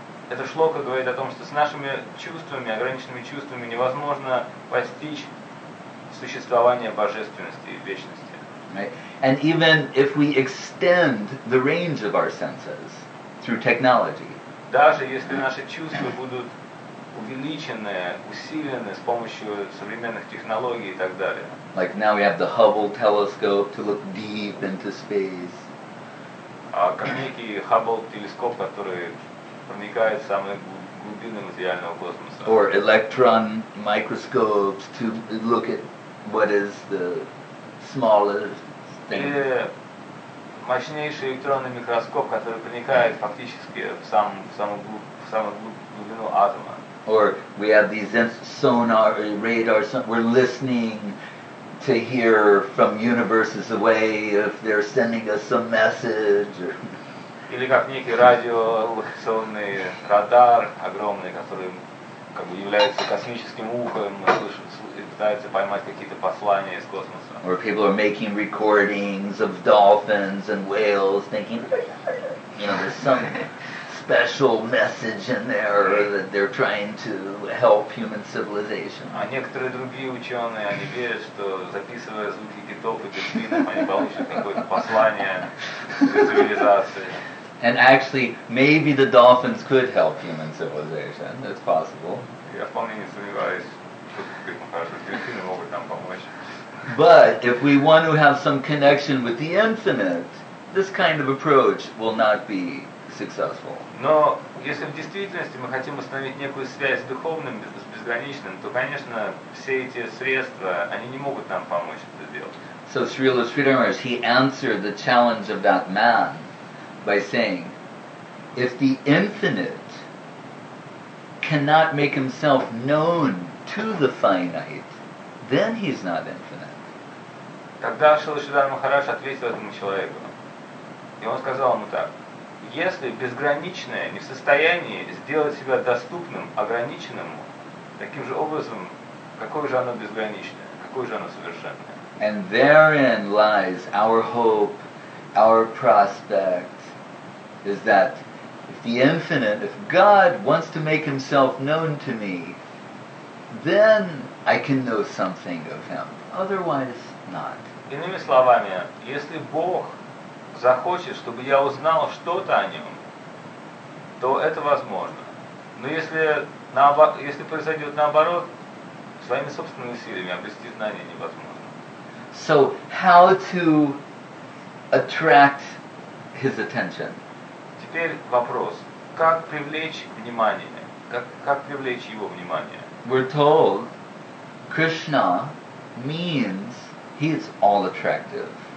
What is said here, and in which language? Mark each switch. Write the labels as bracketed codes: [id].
[ru] Эта шлока говорит о том, что с нашими чувствами, ограниченными чувствами, невозможно постичь существование божественности и вечности. [en] Right? And even if we extend the range of our senses through technology, [ru] даже если наши чувства будут увеличенные, усиленные с помощью современных технологий и так далее. [en] Like now we have the Hubble telescope to look deep into space. [ru] Как некий Hubble телескоп, который проникает в самые глубины материального космоса. [en] Or electron microscopes to look at what is the smallest thing. [ru] Или мощнейший электронный микроскоп, который проникает фактически в самую глубину атома. [en] Or we have these sonar radars, we're listening to hear from universes away if they're sending us some message. [ru] Или как некий радиолокационный радар огромный, который как бы является космическим ухом, пытается поймать какие-то послания из космоса. [en] Or people are making recordings of dolphins and whales, thinking, you know, there's some special message in there that they're trying to help human civilization. [ru] А некоторые другие ученые, они верят, что записывая звуки китов и дельфинов, они получат какое-то послание для цивилизации. [en] And actually, maybe the dolphins could help human civilization. It's possible. [ru] Я вполне не сомневаюсь, что дельфины могут нам помочь. [en] But if we want to have some connection with the infinite, this kind of approach will not be successful. [ru] Но если в действительности мы хотим установить некую связь с духовным, с безграничным, то, конечно, все эти средства, они не могут нам помочь это сделать. [en] So Srila Sridhar Maharaj, he answered the challenge of that man by saying, if the infinite cannot make himself known to the finite, then he's not infinite. [ru] Тогда Шрила Шридхар Махарадж ответил этому человеку. И он сказал ему так. Если безграничное не в состоянии сделать себя доступным, ограниченным, таким же образом, какое же оно безграничное, какое же оно совершенное? [en] And therein lies our hope, our prospect, is that if the infinite, if God wants to make himself known to me, then I can know something of him, otherwise not. [ru] Иными словами, если Бог захочет, чтобы я узнал что-то о нем, то это возможно. Но если произойдет наоборот, своими собственными усилиями обрести знание невозможно. So how to attract his attention? Теперь вопрос: как привлечь внимание? Как привлечь его внимание? [en] We're told Krishna means he is all attractive.